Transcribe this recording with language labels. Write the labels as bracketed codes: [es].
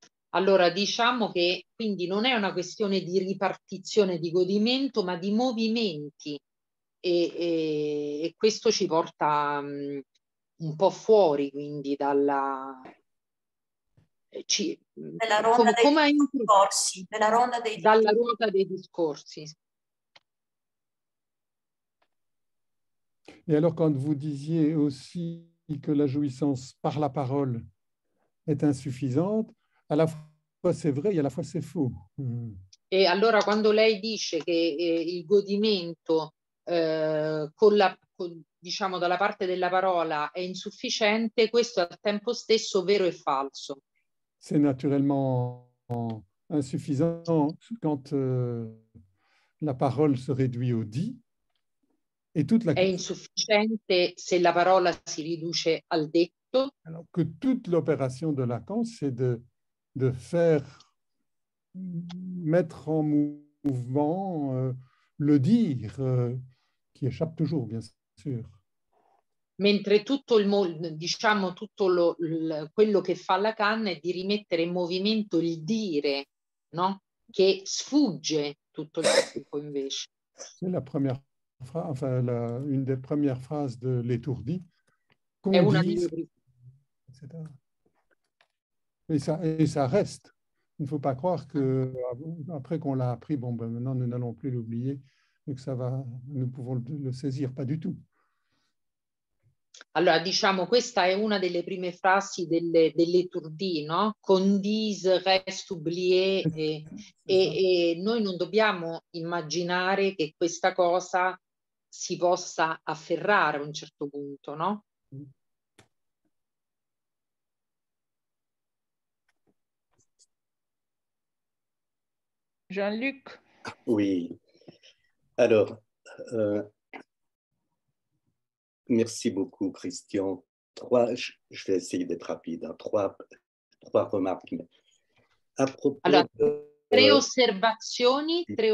[it] Allora, diciamo che quindi non è una questione di ripartizione di godimento, ma di movimenti, e questo ci porta un po' fuori, quindi, dalla... Nella ronda dei discorsi. Nella ronda dei discorsi. Dalla ruota dei discorsi. E allora, [fr] quando vous disiez aussi che la jouissance par la parole est insuffisante, à la fois... C'est vrai, alla fois c'est faux. [it] E allora quando lei dice che il godimento con la diciamo dalla parte della parola è insufficiente, questo è al tempo stesso vero e falso. [fr] C'est naturellement insuffisant quand la parole se réduit au dit et toute la [it] è insufficiente se la parola si riduce al detto. [fr] Alors que toute l'opération de Lacan c'est de faire mettre en mouvement le dire qui échappe toujours bien sûr. [it] Mentre tutto il diciamo tutto lo, quello che fa Lacan è di rimettere in movimento il dire, no? Che sfugge tutto il tempo invece. [fr] C'est la première phrase, enfin la, une des premières phrases de l'étourdi. [it] È una dice, di... etc. [fr] Et ça reste. Il ne faut pas croire que après qu'on l'a appris, bon, ben maintenant nous n'allons plus l'oublier, mais que ça va, nous pouvons le saisir, pas du tout. [it] Alors, diciamo, questa è una delle prime frasi dell'étourdi, no? [fr] Condise, reste oublié. [it] E noi non dobbiamo immaginare che questa cosa si possa afferrare a un certo punto, no? Jean-Luc. [fr] Oui. Alors, merci beaucoup, Christian. Je vais essayer d'être rapide. Hein. Trois remarques. À propos [it] alors, tre osservazioni.